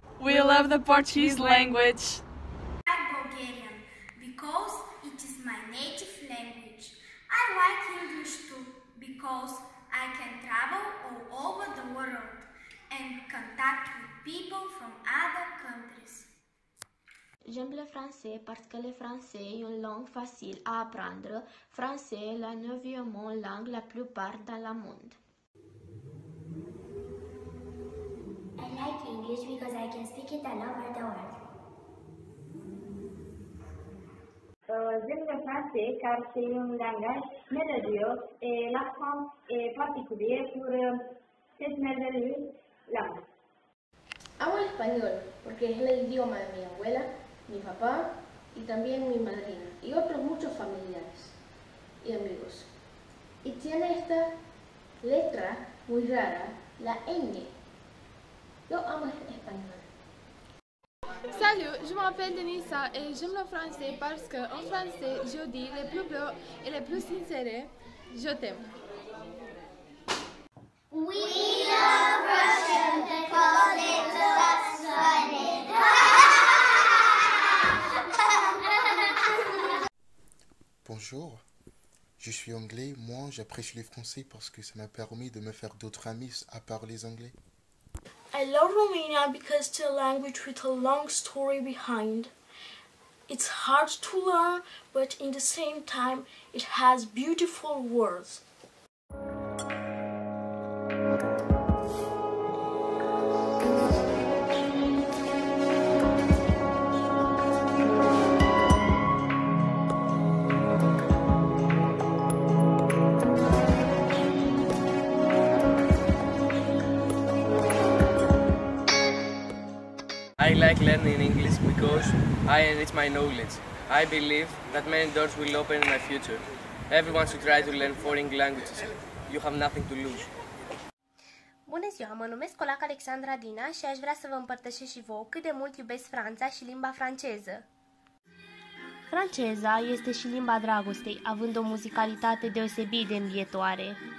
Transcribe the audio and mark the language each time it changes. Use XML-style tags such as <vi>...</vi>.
<en>We love the Portuguese language. I like Bulgarian because it is my native language. I like English too because I can travel all over the world and contact with people from other countries.</en> <fr>J'aime le français parce que le français est une langue facile à apprendre. Français est la neuvième langue la plus parlée dans le monde. I like English because I can speak it all over the world. J'aime le français car c'est un langage merveilleux et la France est particulière pour cette merveilleuse langue.</fr> <es>Hablo español porque es el idioma de mi abuela, mi papá y también mi madrina y otros muchos familiares y amigos. Y tiene esta letra muy rara, la ñ. Yo amo el español.</es> <fr>Salut, je m'appelle Denisa et j'aime le français parce que en français je dis le plus beau et le plus sincère, je t'aime.</fr> <en>We love Russian because it's so funny.</en> <fr>Bonjour, je suis anglais. Moi, j'apprécie le français parce que ça m'a permis de me faire d'autres amis à part les anglais.</fr> <en>I love Romania because it's a language with a long story behind. It's hard to learn, but in the same time, it has beautiful words. I like learning English because I enrich my knowledge. I believe that many doors will open in my future. Everyone should try to learn foreign languages. You have nothing to lose.</en> <ro>Bună ziua, mă numesc Colac Alexandra Dina și aș vrea să vă împărtășesc și vouă cât de mult iubesc Franța și limba franceză. Franceza este și limba dragostei, având o muzicalitate deosebit de învietoare.</ro>